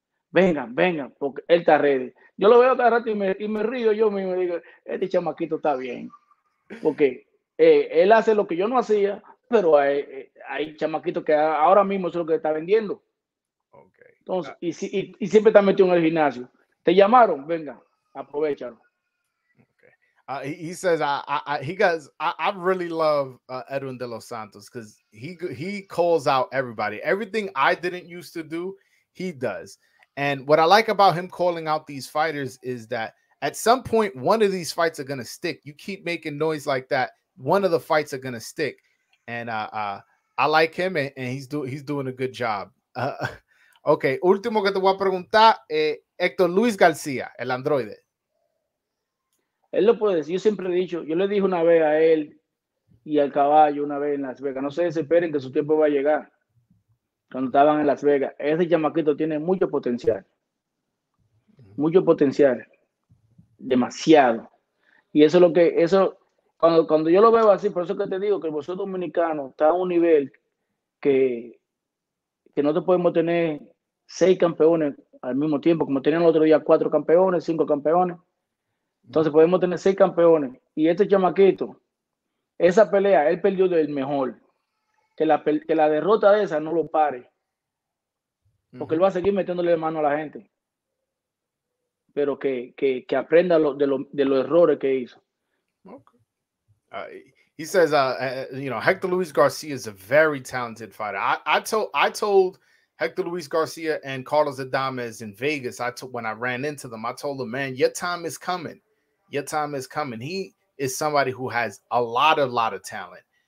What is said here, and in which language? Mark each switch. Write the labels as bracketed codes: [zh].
[es] Vengan, porque él está ready. Yo lo veo cada rato y me río yo mismo y digo, este chamaquito está bien. Porque él hace lo que yo no hacía, pero hay chamaquitos que ahora mismo es lo que está vendiendo. Okay. Entonces, y siempre está metido en el gimnasio. Te llamaron, venga, aprovechalo. Okay. [en] He says I really love Edwin de los Santos because he calls out everybody. Everything I didn't used to do, he does. And what I like about him calling out these fighters is that at some point, one of these fights are going to stick. You keep making noise like that, one of the fights are going to stick. And I like him, and he's doing a good job. [es] Ok, último que te voy a preguntar, Héctor Luis García, el androide. Él lo puede decir, yo siempre he dicho, yo le dije una vez a él y al caballo una vez en Las Vegas, no se desesperen que su tiempo va a llegar. Cuando estaban en Las Vegas, ese chamaquito tiene mucho potencial. Mucho potencial. Demasiado. Y eso es lo que, eso, cuando yo lo veo así, por eso que te digo que el boxeo dominicano está a un nivel que no te podemos tener 6 campeones al mismo tiempo, como tenían el otro día 4 campeones, 5 campeones. Entonces podemos tener 6 campeones. Y este chamaquito, esa pelea, él perdió del mejor. Que la derrota de esa no lo pare. Porque él va a seguir metiéndole mano a la gente. Pero que aprenda de los errores que hizo. Okay. [en] He says, you know, Héctor Luis García is a very talented fighter. I told Héctor Luis García and Carlos Adames in Vegas, when I ran into them, I told them, man, your time is coming. Your time is coming. He is somebody who has a lot of talent.